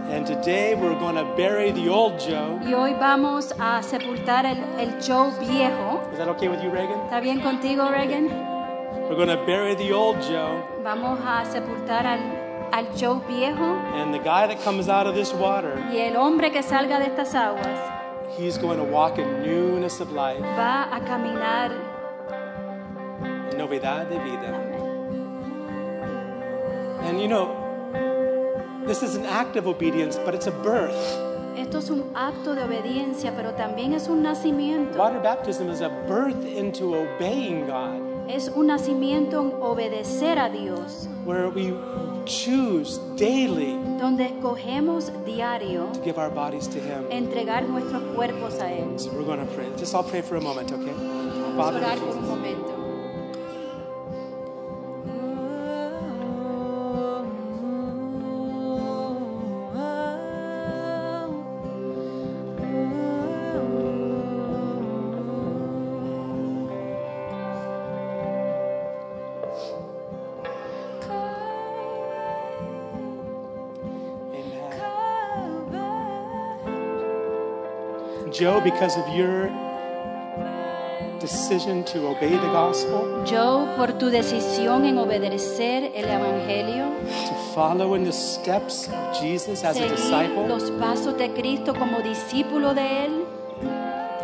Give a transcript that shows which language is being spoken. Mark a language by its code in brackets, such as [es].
[en] And today we're going to bury the old Joe. [es] Y hoy vamos a sepultar el Joe viejo. [en] Is that okay with you, Reagan? [es] ¿Está bien contigo, Reagan? [en] We're going to bury the old Joe. [es] Vamos a sepultar al Joe viejo. [en] And the guy that comes out of this water. [es] Y el hombre que salga de estas aguas. [en] He's going to walk in newness of life. [es] Va a caminar en novedad de vida. [en] And you know, this is an act of obedience, but it's a birth. [es] esto es un acto de obediencia, pero también es un nacimiento. [en] Water baptism is a birth into obeying God. [es] Es un nacimiento en obedecer a Dios. [en] Where we choose daily. [es] Donde escogemos diario. [en] To give our bodies to Him. [es] Entregar nuestros cuerpos a Él. [en] So we're going to pray. Just I'll pray for a moment, okay? [es] Father, orar por un momento. [en] Joe, because of your decision to obey the gospel, [es] Joe, por tu decisión en obedecer el evangelio, [en] to follow in the steps of Jesus as a disciple, [es] los pasos de Cristo como discípulo de él,